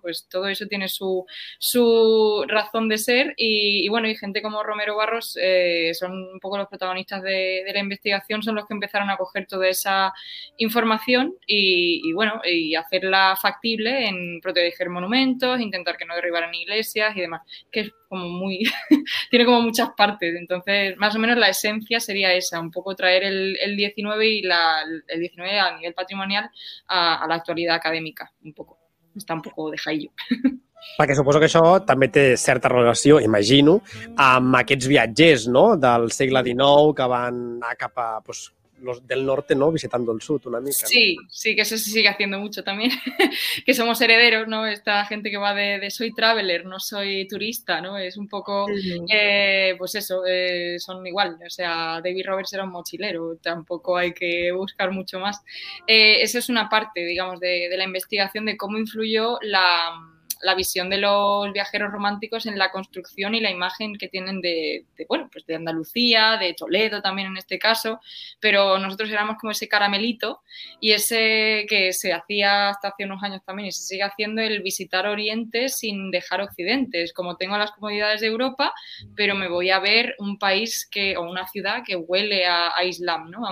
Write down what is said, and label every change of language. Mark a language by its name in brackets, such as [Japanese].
[Spanish] Pues todo eso tiene su razón de ser y bueno, y gente como Romero Barros son un poco los protagonistas de la investigación, son los que empezaron a coger toda esa información y bueno, y hacerla factible en proteger monumentos, intentar que no derribaran iglesias y demás, que es como muy tiene como muchas partes, entonces más o menos la esencia sería esa, un poco traer el 19 y el 19 a nivel patrimonial a la actualidad académica, un poco está un poco de jaillo. [Catalan] Perquè suposo que això també té certa relació, imagino, amb aquests viatgers, no?, del segle XIX que van anar cap a, [Spanish] pues, los del norte, ¿no?, visitando el sur [Catalan] una mica. [Spanish] Sí, ¿no? Sí, que eso se sigue haciendo mucho también, que somos herederos, ¿no?, esta gente que va de soy traveler, no soy turista, ¿no?, es un poco, pues eso, son igual, o sea, David Roberts era un mochilero, tampoco hay que buscar mucho más. Eso es una parte, digamos, de la investigación de cómo influyó la visión de los viajeros románticos en la construcción y la imagen que tienen de bueno, pues de Andalucía, de Toledo también en este caso, pero nosotros éramos como ese caramelito y ese que se hacía hasta hace unos años también y se sigue haciendo el visitar Oriente sin dejar Occidente, es como tengo las comodidades de Europa, pero me voy a ver un país que o una ciudad que huele a Islam, ¿no?